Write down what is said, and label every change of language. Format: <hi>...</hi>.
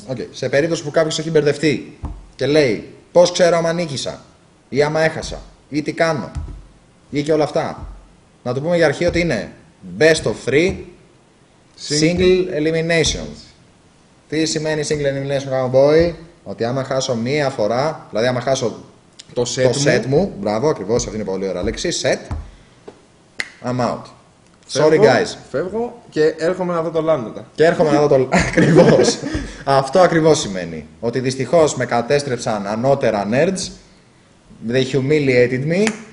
<el>Σε περίπτωση που κάποιος έχει μπερδευτεί και λέει πώς ξέρω άμα νίκησα ή άμα έχασα ή τι κάνω ή και όλα αυτά, να το πούμε για αρχή ότι είναι best of three single eliminations. Τι σημαίνει single elimination, cowboy? Ότι άμα χάσω μία φορά, δηλαδή άμα χάσω το set, το set μου, μπράβο, ακριβώς αυτή είναι πολύ ωραία λέξη, set,</el> <en>I'm out. Sorry,</en> <el>φεύγω,</el> <en>guys.</en> <el>Φεύγω και έρχομαι να δω το Λάντα. Και έρχομαι να δω το Λάντα. Ακριβώς. Αυτό ακριβώς σημαίνει. Ότι δυστυχώς με κατέστρεψαν ανώτερα nerds.</el> <en>They humiliated me.</en>